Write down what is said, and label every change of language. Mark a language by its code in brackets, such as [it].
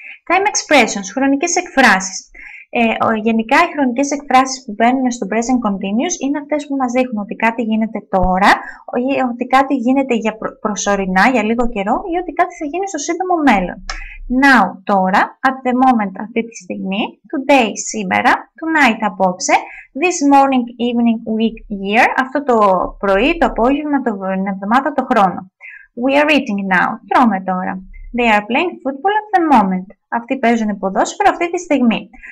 [en] Time expressions, [el] χρονικές εκφράσεις. Γενικά, οι χρονικές εκφράσεις που μπαίνουν στο present continuous είναι αυτές που μας δείχνουν ότι κάτι γίνεται τώρα, ότι κάτι γίνεται για προσωρινά, για λίγο καιρό ή ότι κάτι θα γίνει στο σύντομο μέλλον. [en] Now, [el] τώρα, [en] at the moment, [el] αυτή τη στιγμή, [en] today, [el] σήμερα, [en] tonight, [el] απόψε, [en] this morning, evening, week, year, [el] αυτό το πρωί, το απόγευμα, το εβδομάδα, το χρόνο. [en] We are eating now, [el] τρώμε τώρα. [en] They are playing football at the moment. [el] Αυτοί παίζουν ποδόσφαιρο αυτή τη στιγμή.